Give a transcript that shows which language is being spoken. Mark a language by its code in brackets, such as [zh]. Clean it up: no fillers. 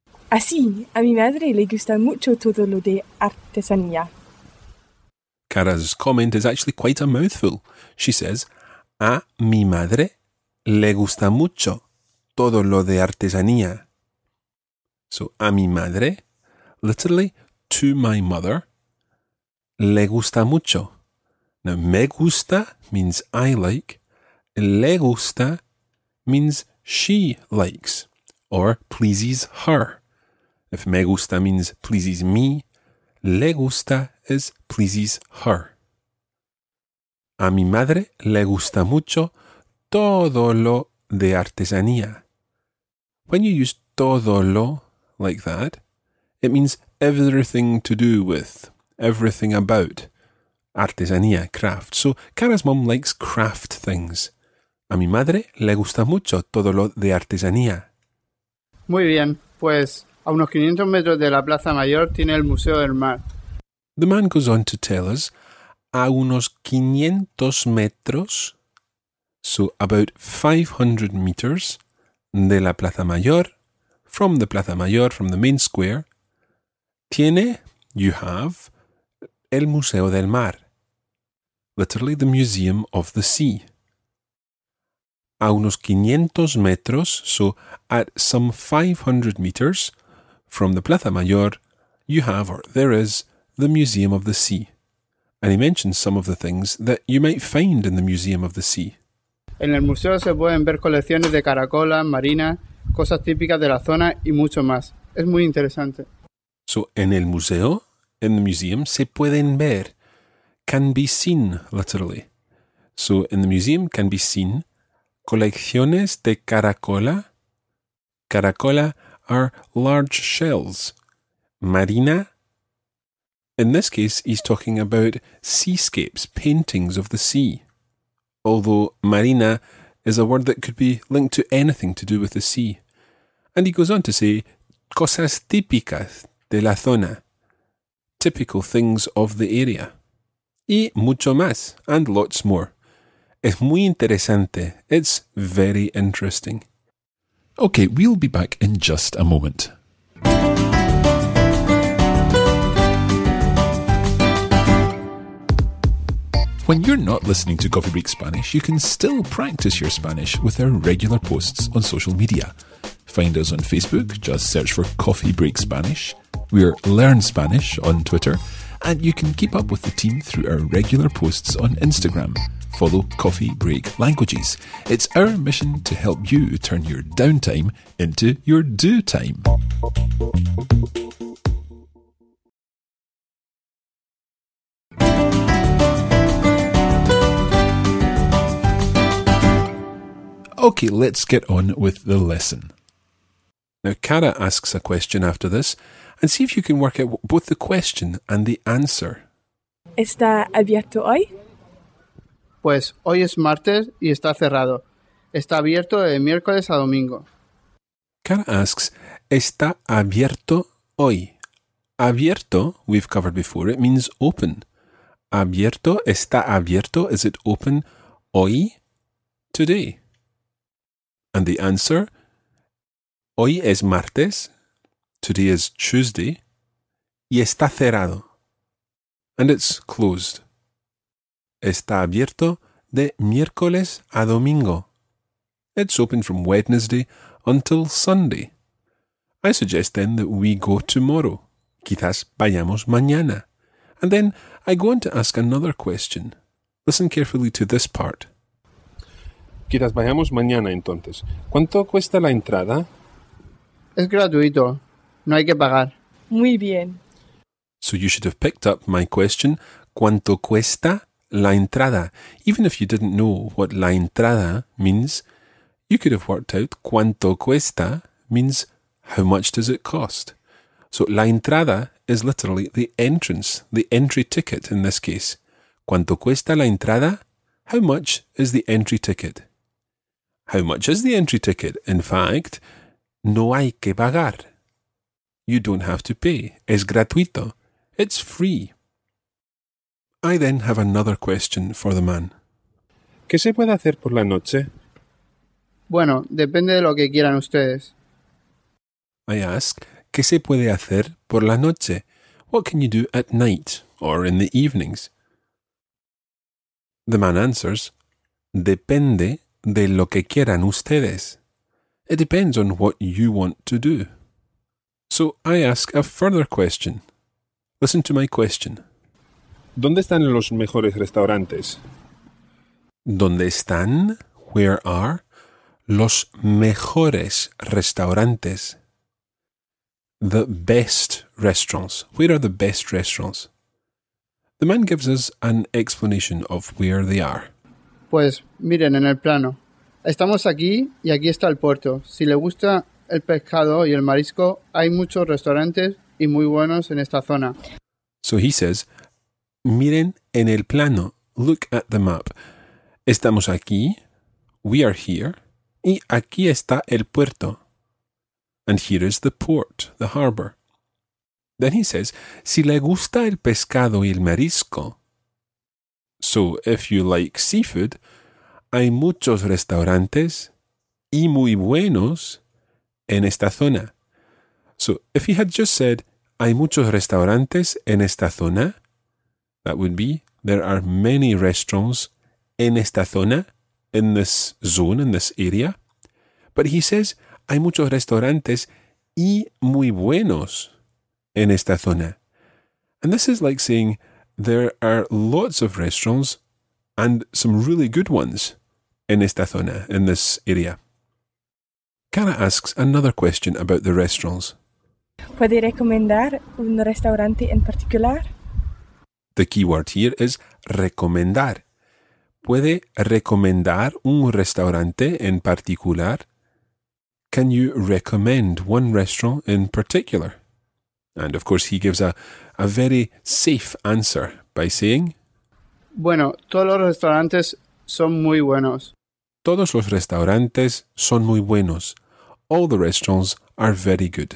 [es] Así, a mi madre le gusta mucho todo lo de artesanía. [en] Cara's comment is actually quite a mouthful. She says, [es] a mi madre le gusta mucho todo lo de artesanía. [en] So, [es] a mi madre, [en] literally, to my mother, [es] le gusta mucho. [en] Now, [es] me gusta [en] means I like. [es] Le gusta [en] means she likes or pleases her. If [es] me gusta [en] means pleases me, [es] le gusta [en] is pleases her. [es] A mi madre le gusta mucho todo lo de artesanía. [en] When you use [es] todo lo [en] like that, it means everything to do with, everything about artesanía, craft. So, Cara's mom likes craft things. [es] A mi madre le gusta mucho todo lo de artesanía. Muy bien, pues a unos 500 metros de la Plaza Mayor tiene el Museo del Mar. [en] The man goes on to tell us, [es] a unos 500 metros, [en] so about 500 meters, [es] de la Plaza Mayor, [en] from the Plaza Mayor, from the main square, [es] tiene, [en] you have, [es] el Museo del Mar, [en] literally the Museum of the Sea. [es] A unos 500 metros, [en] so at some 500 meters from the Plaza Mayor, you have, or there is, the Museum of the Sea. And he mentions some of the things that you might find in the Museum of the Sea. [es] En el museo se pueden ver colecciones de caracola, marina, cosas típicas de la zona y mucho más. Es muy interesante. [en] So, [es] en el museo, [en] in the museum, [es] se pueden ver, [en] can be seen, literally. So, in the museum, can be seen, [es] colecciones de caracola. [en] Caracola are large shells. [es] Marina. [en] In this case, he's talking about seascapes, paintings of the sea. Although [es] marina [en] is a word that could be linked to anything to do with the sea. And he goes on to say, [es] cosas típicas de la zona. [en] Typical things of the area. [es] Y mucho más, [en] and lots more. [es] Es muy interesante. [en] It's very interesting. Okay, we'll be back in just a moment. When you're not listening to Coffee Break Spanish, you can still practice your Spanish with our regular posts on social media. Find us on Facebook, just search for Coffee Break Spanish. We're Learn Spanish on Twitter, and you can keep up with the team through our regular posts on Instagram. Follow Coffee Break Languages. It's our mission to help you turn your downtime into your do time. Okay, let's get on with the lesson. Now, Cara asks a question after this, and see if you can work out both the question and the answer. [es] ¿Está abierto hoy? Pues hoy es martes y está cerrado. Está abierto de miércoles a domingo. [en] Cara asks, [es] ¿está abierto hoy? [en] Abierto, we've covered before, it means open. [es] Abierto, está abierto, [en] is it open [es] hoy? [en] Today. And the answer, [es] hoy es martes, [en] today is Tuesday, [es] y está cerrado, [en] and it's closed. [es] Está abierto de miércoles a domingo. [en] It's open from Wednesday until Sunday. I suggest then that we go tomorrow. [es] Quizás vayamos mañana. [en] And then I go on to ask another question. Listen carefully to this part. [es] Quizás vayamos mañana entonces. ¿Cuánto cuesta la entrada? Es gratuito. No hay que pagar. Muy bien. [en] So you should have picked up my question. [es] ¿Cuánto cuesta la entrada? [en] Even if you didn't know what la entrada means, you could have worked out [es] ¿cuánto cuesta? [en] Means how much does it cost? So [es] la entrada [en] is literally the entrance, the entry ticket in this case. [es] ¿Cuánto cuesta la entrada? [en] How much is the entry ticket? How much is the entry ticket? In fact, [es] no hay que pagar. [en] You don't have to pay. [es] Es gratuito. [en] It's free. I then have another question for the man. [es] ¿Qué se puede hacer por la noche? Bueno, depende de lo que quieran ustedes. [en] I ask, [es] ¿Qué se puede hacer por la noche? [en] What can you do at night or in the evenings? The man answers, depende de lo que quieran ustedes. It depends on what you want to do. So I ask a further question. Listen to my question. [es] ¿Dónde están los mejores restaurantes? ¿Dónde están, [en] where are, [es] los mejores restaurantes? [en] The best restaurants. Where are the best restaurants? The man gives us an explanation of where they are. [es] Pues miren en el plano. Estamos aquí y aquí está el puerto. Si le gusta el pescado y el marisco, hay muchos restaurantes y muy buenos en esta zona. [en] So he says, [es] miren en el plano. [en] Look at the map. [es] Estamos aquí. [en] We are here. [es] Y aquí está el puerto. [en] And here is the port, the harbor. Then he says, [es] si le gusta el pescado y el marisco. [en] So, if you like seafood, [es] hay muchos restaurantes y muy buenos en esta zona. [en] So, if he had just said, [es] hay muchos restaurantes en esta zona, [en] that would be, there are many restaurants [es] en esta zona, [en] in this zone, in this area. But he says, [es] hay muchos restaurantes y muy buenos en esta zona. [en] And this is like saying, there are lots of restaurants and some really good ones [es] en esta zona, [en] in this area. Kara asks another question about the restaurants. [es] ¿Puede recomendar un restaurante en particular? [en] The key word here is [es] recomendar. ¿Puede recomendar un restaurante en particular? [en] Can you recommend one restaurant in particular? And of course, he gives a very safe answer by saying, [es] bueno, todos los restaurantes son muy buenos. Todos los restaurantes son muy buenos. [en] All the restaurants are very good.